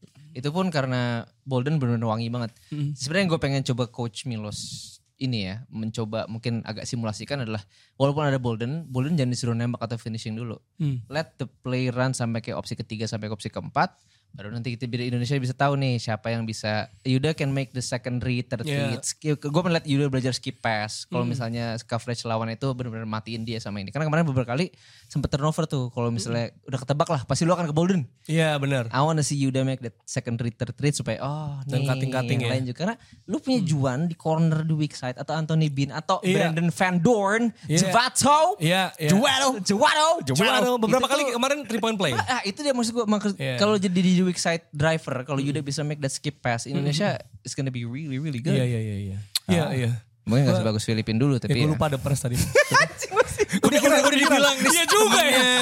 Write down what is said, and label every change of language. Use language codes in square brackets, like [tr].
[id] Itu pun karena Bolden benar-benar wangi banget. Sebenarnya gue pengen coba coach Milos ini ya, mencoba mungkin agak simulasikan adalah walaupun ada Bolden jangan disuruh nembak atau finishing dulu. [en] Let the play run [id] sampai ke opsi ketiga sampai ke opsi keempat, baru nanti kita di Indonesia bisa tahu nih siapa yang bisa. [en] Yuda can make the secondary, third feed. [id] Gue pengen lihat Yuda belajar skip pass. Kalau misalnya coverage lawan itu benar-benar matiin dia sama ini. Karena kemarin beberapa kali sempat turnover tuh. Kalau misalnya udah ketebak lah, pasti lu akan ke Bolden. Iya benar. [en] I want to see Yuda make that secondary, third feed [id] supaya dan cutting-cutting lain juga. Karena lu punya Juan di corner di weak side atau Anthony Bean atau Brandon Van Dorn, Javato, Juwato. Beberapa itu kali tuh, kemarin 3-point play. Itu dia maksud gue. Kalau jadi di [en] weak side driver, kalau Yuda bisa make that skip pass, Indonesia is gonna be really really good. [id] Iya. Mungkin gak sebagus Filipina dulu tapi. Ya, gue lupa ada press tadi. Gue dibilang dia juga ya.